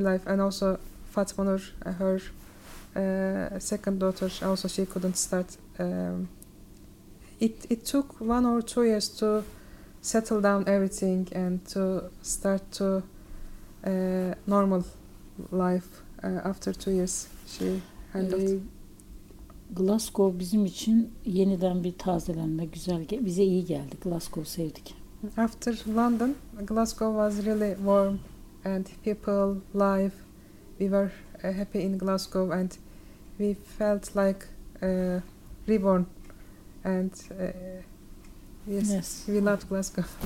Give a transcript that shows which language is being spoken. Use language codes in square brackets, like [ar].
[en] And also, Fatmanur, her second daughter, also she couldn't start. It took 1 or 2 years to settle down everything and to start to normal life. After 2 years, she handled. [tr] Glasgow bizim için yeniden bir tazelenme, güzel, bize iyi geldi. Glasgow sevdik. [en] After London, Glasgow was really warm and people, life. We were happy in Glasgow and we felt like reborn. And yes, we loved Glasgow.